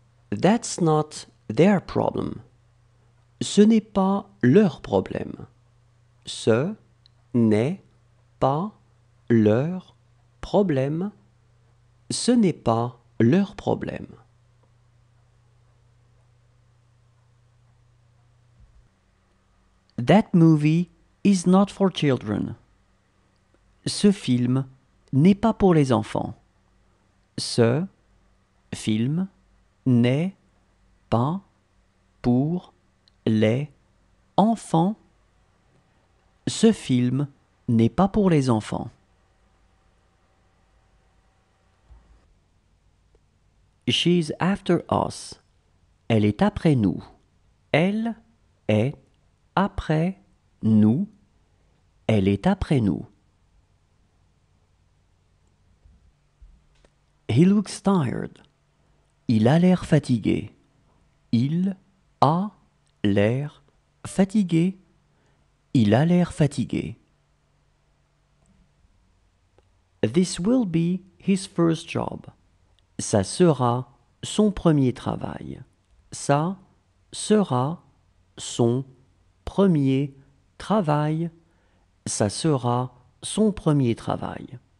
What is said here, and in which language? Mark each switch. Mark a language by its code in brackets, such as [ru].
[en] That's not their problem. [fr] Ce n'est pas leur problème. Ce n'est pas leur problème. Ce n'est pas leur problème. [en] That movie is not for children. [fr] Ce film n'est pas pour les enfants. Ce film n'est pas pour les enfants. Ce film n'est pas pour les enfants. [en] She's after us. [fr] Elle est après nous. Elle est après nous. Elle est après nous. [en] He looks tired. [fr] Il a l'air fatigué. Il a l'air fatigué. Il a l'air fatigué. [en] This will be his first job. [fr] Ça sera son premier travail. Ça sera son premier travail. Ça sera son premier travail.